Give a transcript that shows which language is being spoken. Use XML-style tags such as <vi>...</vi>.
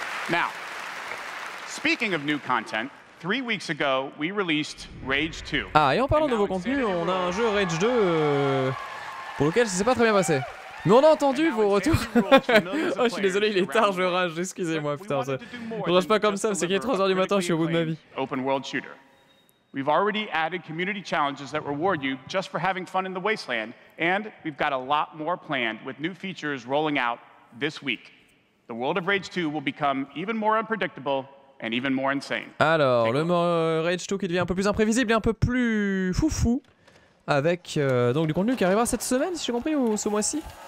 <en>Now. Speaking of new content, 3 weeks ago, we released Rage 2.</en> <fr>Ah, et en parlant de nouveau contenu, on a un jeu Rage 2 pour lequel ça s'est pas très bien passé. Mais on a entendu vos retours. Oh, je suis désolé, il est tard, je rage, excusez-moi, putain. Je rage pas comme ça, c'est qu'il est 3h du matin, je suis au bout de ma vie.</fr> <en>Open world shooter. We've already added community challenges that reward you just for having fun in the wasteland, and we've got a lot more planned with new features rolling out this week. The world of Rage 2 will become even more unpredictable. And even more insane.</en> <fr>Alors, le Rage 2 qui devient un peu plus imprévisible et un peu plus foufou, avec donc du contenu qui arrivera cette semaine, si j'ai compris, ou ce mois-ci.</fr>